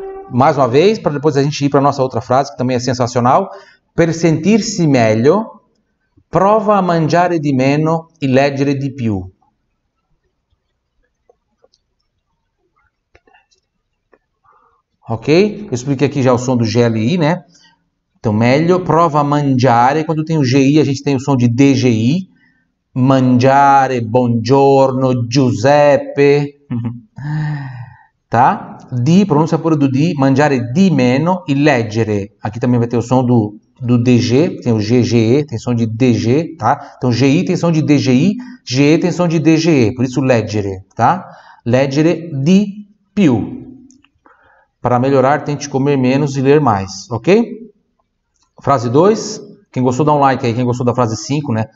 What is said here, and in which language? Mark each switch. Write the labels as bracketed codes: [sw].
[pt] Mais uma vez, para depois a gente ir para a nossa outra frase, que também é sensacional. [it] Per sentirsi meglio, prova a mangiare di meno e leggere di più. Ok? [pt] Eu expliquei aqui já o som do GLI, né? [it] Então, meglio, prova a mangiare. [pt] Quando tem o GI, a gente tem o som de DGI. [it] Mangiare, buongiorno, Giuseppe. Tá? Di, [pt] pronuncia pure do [it] di, mangiare di meno e leggere. [pt] Aqui também vai ter o som do DG, tem o GGE, tem som de DG, tá? Então GI tem som de DGI, GE tem som de DGE, por isso leggere, tá? [it] Leggere di più. [pt] Para melhorar, tente comer menos e ler mais, ok? Frase 2, quem gostou dá um like aí, quem gostou da frase 5, né?